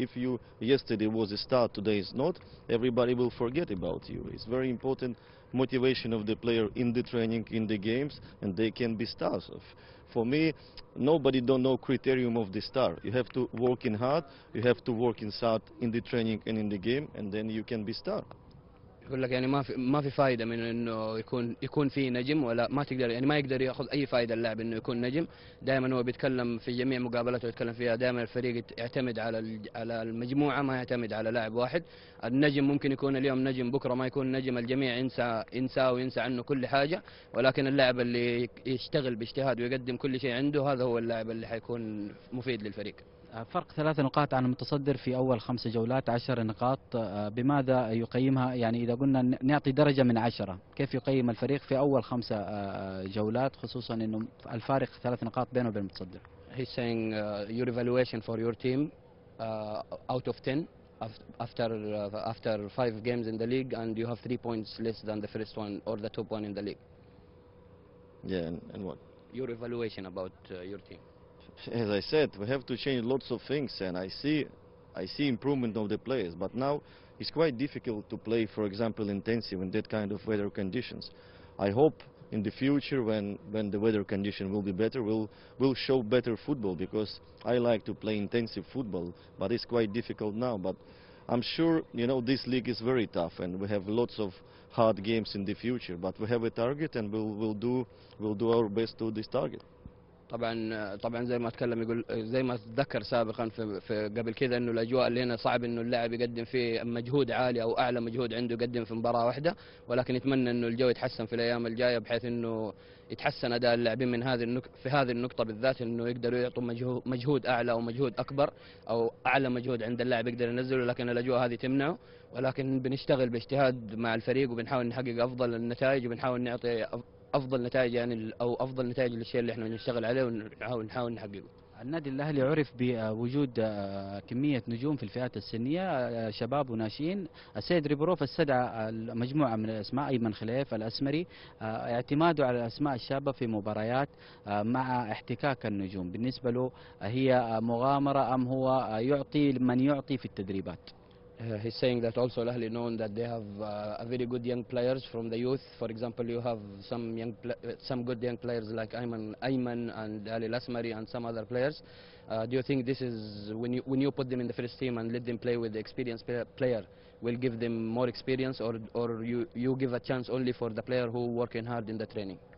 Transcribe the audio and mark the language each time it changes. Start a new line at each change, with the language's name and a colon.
English: If you yesterday was a star, today is not, everybody will forget about you. It's very important motivation of the player in the training, in the games, and they can be stars. For me, nobody don't know criterion of the star. You have to work in hard, you have to work in hard in the training and in the game, and then you can be star.
Arabic: يقول لك يعني ما في فائده من انه يكون في نجم، ولا ما تقدر يعني ما يقدر ياخذ اي فائده اللاعب انه يكون نجم. دائما هو بيتكلم في جميع مقابلاته يتكلم فيها، دائما الفريق يعتمد على المجموعه، ما يعتمد على لاعب واحد. النجم ممكن يكون اليوم نجم، بكره ما يكون نجم، الجميع ينسى وينسى عنه كل حاجه، ولكن اللاعب اللي يشتغل باجتهاد ويقدم كل شيء عنده هذا هو اللاعب اللي حيكون مفيد للفريق. فرق 3 نقاط عن المتصدر في أول 5 جولات، 10 نقاط، بماذا يقيمها؟ يعني إذا قلنا نعطي درجة من 10، كيف يقيم الفريق في أول 5 جولات، خصوصا أنه الفارق 3 نقاط بينه وبين المتصدر؟
English: He's saying your evaluation for your team out of 10 after 5 games in the league and you have 3 points less than the first one or the top one in the league. Yeah, and what? Your evaluation about your team. As I said, we have to change lots of things, and I see improvement of the players. But now, it's quite difficult to play, for example, intensive in that kind of weather conditions. I hope in the future, when the weather condition will be better, we'll show better football because I like to play intensive football. But it's quite difficult now. But I'm sure you know this league is very tough, and we have lots of hard games in the future. But we have a target, and we'll do our best to this target.
Arabic: طبعا زي ما اتكلم يقول زي ما ذكر سابقا في قبل كذا انه الاجواء اللي هنا صعب انه اللاعب يقدم فيه مجهود عالي او اعلى مجهود عنده يقدم في مباراه واحده، ولكن يتمنى انه الجو يتحسن في الايام الجايه بحيث انه يتحسن اداء اللاعبين من هذه في هذه النقطه بالذات، انه يقدروا يعطوا مجهود اعلى او مجهود اكبر او اعلى مجهود عند اللاعب يقدر ينزله، لكن الاجواء هذه تمنعه. ولكن بنشتغل باجتهاد مع الفريق وبنحاول نحقق افضل النتائج وبنحاول نعطي افضل نتائج يعني او افضل نتائج للشيء اللي احنا بنشتغل عليه ونحاول نحققه. النادي الاهلي عرف بوجود كميه نجوم في الفئات السنيه، شباب وناشئين. السيد ريبروف استدعى مجموعه من الاسماء، ايمن خليف الاسمري، اعتماده على الاسماء الشابه في مباريات مع احتكاك النجوم، بالنسبه له هي مغامره ام هو يعطي من يعطي في التدريبات؟
English: He's saying that also Al Ahly known that they have a very good young players from the youth. For example, you have some good young players like Ayman and Ali Lasmari and some other players. Do you think this is when you put them in the first team and let them play with the experienced player will give them more experience, or you give a chance only for the player who working hard in the training?